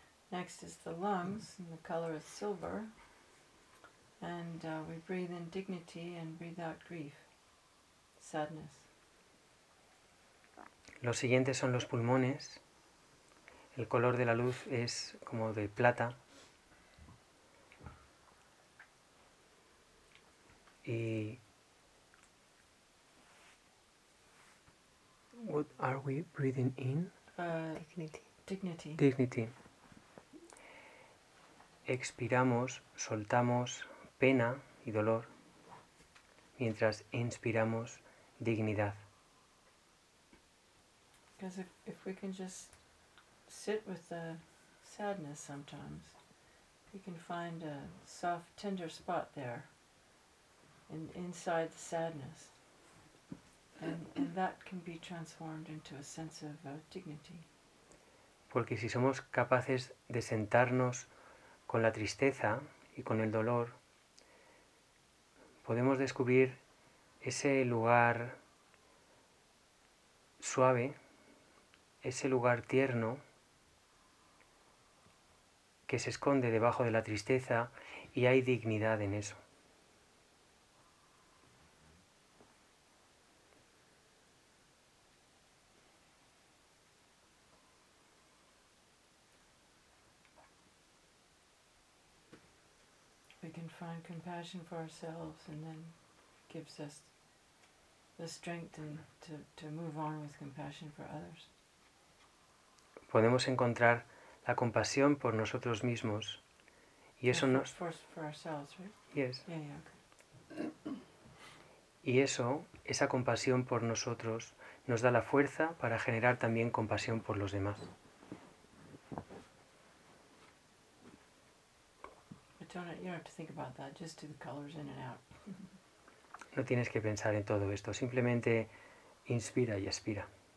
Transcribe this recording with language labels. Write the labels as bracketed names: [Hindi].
[English] Next is the lungs, and the color is silver. And we breathe in dignity and breathe out grief, sadness. [Spanish] Los siguientes son los pulmones. El color de la luz es como de plata. [English] Y what are we breathing in? Dignity. [Spanish] Expiramos, soltamos pena y dolor, mientras inspiramos dignidad. [English] Because if we can just sit with the sadness sometimes, we can find a soft, tender spot there inside the sadness. And that can be transformed into a sense of dignity. [Spanish] Porque si somos capaces de sentarnos con la tristeza y con el dolor, podemos descubrir ese lugar suave, ese lugar tierno que se esconde debajo de la tristeza, y hay dignidad en eso. [English] We can find compassion for ourselves, and then gives us the strength to move on with compassion for others. [Spanish] Podemos encontrar la compasión por nosotros mismos, y eso nos [English] for ourselves, right? Yes. Yeah, okay. [Spanish] Y eso, esa compasión por nosotros, nos da la fuerza para generar también compasión por los demás. [English] You don't have to think about that, just do the colors in and out. [Spanish] No tienes que pensar en todo esto, simplemente inspira y expira.